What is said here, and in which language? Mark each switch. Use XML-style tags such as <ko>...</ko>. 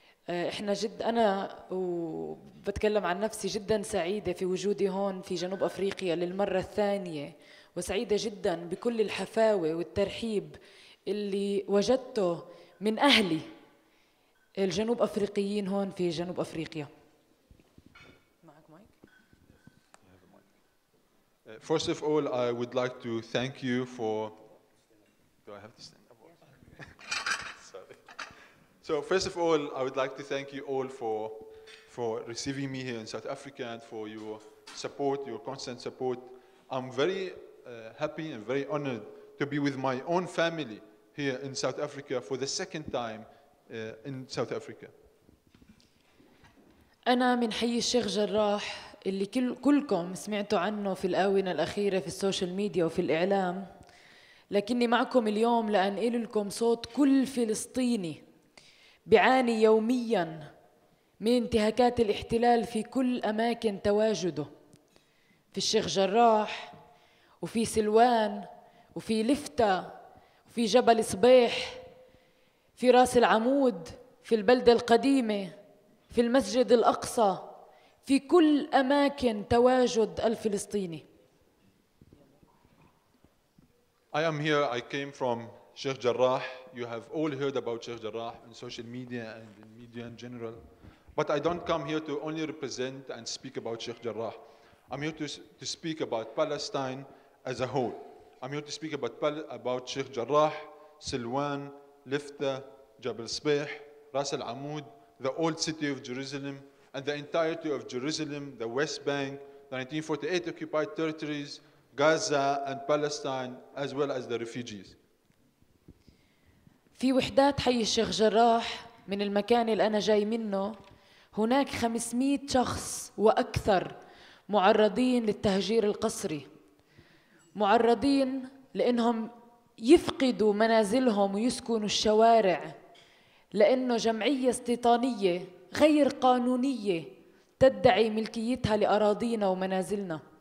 <ar>إحنا جد أنا وبتكلم عن نفسي جدا سعيدة في وجودي هون في جنوب أفريقيا للمرة الثانية وسعيدة جدا بكل الحفاوة والترحيب اللي وجدته من أهلي الجنوب أفريقيين هون في جنوب أفريقيا.</ar> <en>First of all, I would like to thank you for... Do I have to stand up? Sorry. So first of all, I would like to thank you all for receiving me here in South Africa and for your support, your constant support. I'm very happy and very honored to be with my own family here in South Africa for the second time in South Africa.</en> <ar>أنا من حي الشيخ جراح اللي كلكم سمعتوا عنه في الآونة الأخيرة في السوشيال ميديا وفي الإعلام لكني معكم اليوم لأن أقول لكم صوت كل فلسطيني بيعاني يومياً من انتهاكات الاحتلال في كل أماكن تواجده في الشيخ جراح وفي سلوان وفي لفتة وفي جبل صبيح في راس العمود في البلدة القديمة في المسجد الأقصى في كل أماكن تواجد الفلسطيني.</ar> <en>I am here. I came from Sheikh Jarrah. You have all heard about Sheikh Jarrah in social media and in media in general. But I don't come here to only represent and speak about Sheikh Jarrah. I'm here to speak about Palestine as a whole. I'm here to speak about Sheikh Jarrah, Silwan, Lifta, Jabal Sbeh, Ras Al Amud, the old city of Jerusalem, and the entirety of Jerusalem, the West Bank, the 1948 occupied territories, Gaza and Palestine, as well as the refugees.</en> <ar>في وحدات حي الشيخ جراح من المكان اللي أنا جاي منه هناك 500 شخص وأكثر معرضين للتهجير القسري معرضين لأنهم يفقدوا منازلهم ويسكنوا الشوارع لأنه جمعية استيطانية غير قانونية تدعي ملكيتها لأراضينا ومنازلنا</ar>